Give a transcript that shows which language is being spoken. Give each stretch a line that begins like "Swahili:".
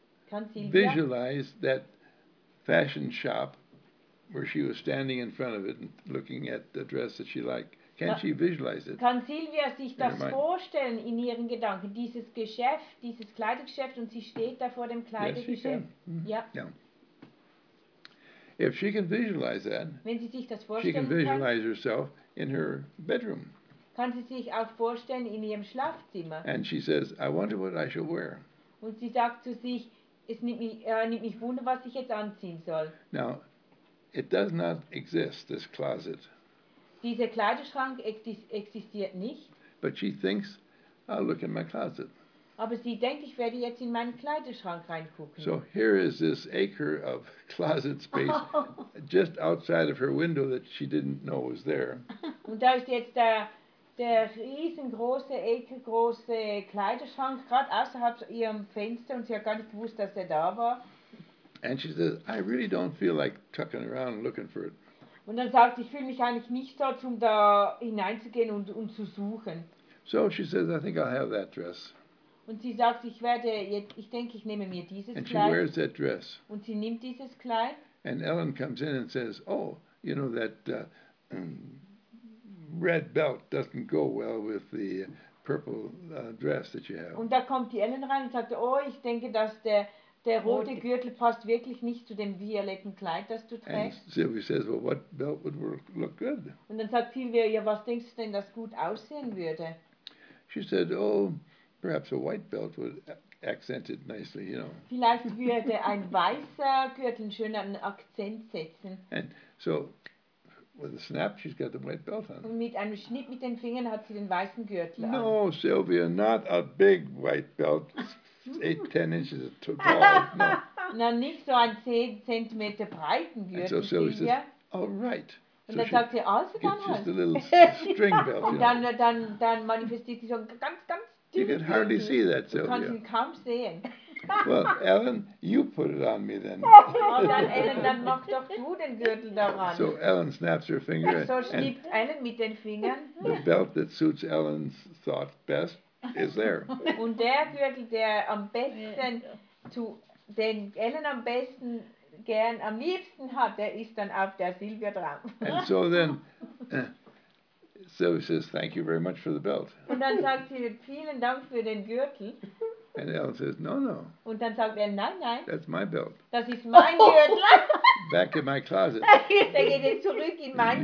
English: Can Sylvia visualize that fashion shop where she was standing in front of it and looking at the dress that she liked? Can she visualize it?
German: Kann Sylvia sich das vorstellen in ihren Gedanken, dieses Geschäft, dieses Kleidergeschäft, und sie steht da vor dem Kleidergeschäft?
English: Yes, she can. Yeah. If she can visualize that,
German: wenn sie sich das vorstellen kann,
English: she can visualize herself in her bedroom.
German: Kann sie sich auch vorstellen in ihrem Schlafzimmer?
English: And she says, I wonder what I shall wear.
German: Und sie sagt zu sich, es nimmt mich wunder, was ich jetzt anziehen soll.
English: Now, it does not exist, this closet.
German: Dieser Kleiderschrank existiert nicht.
English: But she thinks, I'll look in my closet.
German: Aber sie denkt, ich werde jetzt in meinen Kleiderschrank reingucken.
English: So here is this acre of closet space just outside of her window that she didn't know was there.
German: Und da ist jetzt der riesengroße, ekelgroße Kleiderschrank gerade außerhalb ihrem Fenster, und sie hat gar nicht gewusst, dass er da war.
English: And she says, I really don't feel like tucking around and looking for it.
German: Und dann sagt, ich fühle mich eigentlich nicht so, um da hineinzugehen und zu suchen.
English: So she says, I think I'll have that dress.
German: Und sie sagt, ich werde jetzt, ich denke, ich nehme mir dieses
English: and
German: Kleid.
English: And she wears that dress.
German: Und sie nimmt dieses Kleid.
English: And Ellen comes in and says, oh, you know, that red belt doesn't go well with the purple dress that you have.
German: Und da kommt die Ellen rein und sagt, oh, ich denke, dass der rote Gürtel passt wirklich nicht zu dem violetten Kleid, das du trägst.
English: And Sylvia says, well, what belt would look good?
German: Und dann sagt Sylvia, ja, was denkst du denn, das gut aussehen würde?
English: She said, oh, perhaps a white belt would accent it nicely, you know.
German: Vielleicht würde ein weißer Gürtel einen schönen Akzent setzen.
English: And so, with a snap, she's got the white belt on.
German: Und mit einem Schnitt mit den Fingern hat sie den weißen Gürtel an.
English: No, Sylvia, not a big white belt. 8-10 inches too tall. No.
German: Na, nicht so ein 10 Zentimeter breiten Gürtel.
English: And so Sylvia says, all right.
German: Und dann sagt sie, also dann halt.
English: Just a little string belt.
German: Und dann manifestiert sie so ganz, ganz dünn.
English: You can hardly see that, Sylvia.
German: Du kannst ihn kaum sehen.
English: Well, Ellen, you put it on me then.
German: dann mach doch du den Gürtel daran.
English: So Ellen snaps her finger.
German: So schnippt Ellen mit den Fingern.
English: The belt that suits Ellen's thought best is there.
German: Und der Gürtel, der am besten den Ellen am besten gern am liebsten hat, der ist dann auf der Silvia drauf.
English: And so then, Silvia says, thank you very much for the belt.
German: Und dann sagt sie, vielen Dank für den Gürtel.
English: And Ellen says, no, no.
German: Und dann sagt er, nein, nein.
English: That's my belt.
German: Das ist mein Gürtel.
English: Back in my closet.
German: Der geht jetzt zurück in meinen